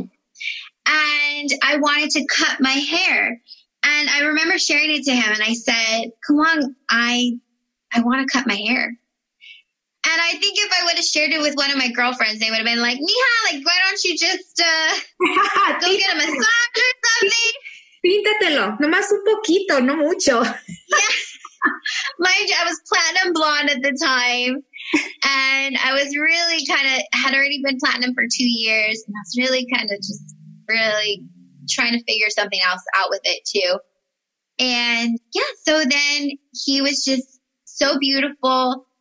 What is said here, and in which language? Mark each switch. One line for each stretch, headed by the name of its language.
English: And I wanted to cut my hair. And I remember sharing it to him, and I said, come on, I want to cut my hair. And I think if I would have shared it with one of my girlfriends, they would have been like, Mija, like, why don't you just go get a massage or something?
Spanish: Píntatelo, nomás un poquito, no mucho.
English: Yeah. Mind you, I was platinum blonde at the time. And I was really kind of, had already been platinum for 2 years. And I was really kind of just really trying to figure something else out with it too. And yeah, so then he was just so beautiful.